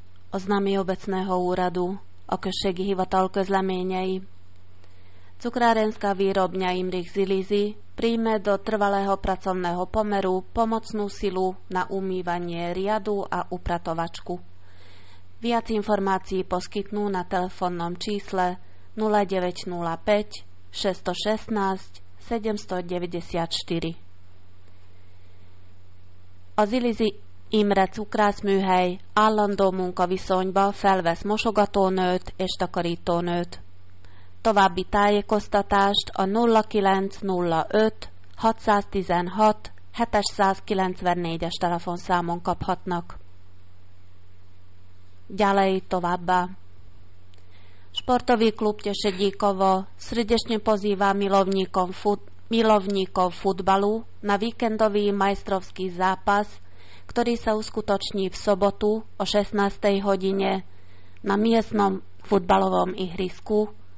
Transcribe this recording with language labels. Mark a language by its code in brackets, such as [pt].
[sk] oznámi obecného úradu, [hu] okössegi hivatal közleményei. [sk] Cukrárenská výrobňa Imrich Zilizi príjme do trvalého pracovného pomeru pomocnú silu na umývanie riadu a upratovačku. Viac informácií poskytnú na telefónnom čísle 0905 616 794. [hu] A Zilizi Imre cukrászműhely állandó munkaviszonyba felvesz mosogatónőt és takarítónőt. További tájékoztatást a 0905 616 794-es telefonszámon kaphatnak. [sk] Ďalej továbbá. Sportový klub Tešedíkovo srdečne pozýva milovníkov futbalu na víkendový majstrovský zápas, ktorý sa uskutoční v sobotu o 16. hodine na miestnom futbalovom ihrisku